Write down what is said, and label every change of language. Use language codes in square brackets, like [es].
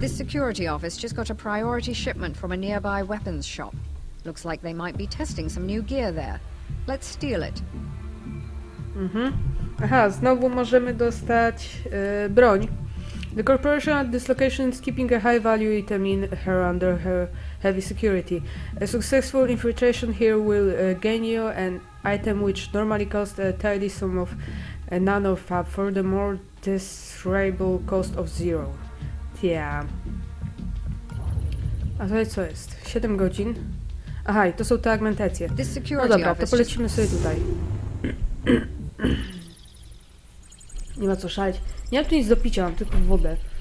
[en] This security office just got a priority shipment from a nearby weapons shop. Looks like they might be testing some new gear there. Let's steal it. Mhm. [pl] Aha, znowu możemy dostać broń. [en] The corporation at this location is keeping a high value item in her under her heavy security. A successful infiltration here will gain you an item which normally costs a tidy sum of nanofab, furthermore desirable cost of zero. Yeah. [pl] A tutaj co jest? 7 godzin. Aha, i to są te augmentacje. No dobra, to polecimy sobie tutaj. Nie ma co szaleć. Nie mam tu nic do picia, mam tylko wodę.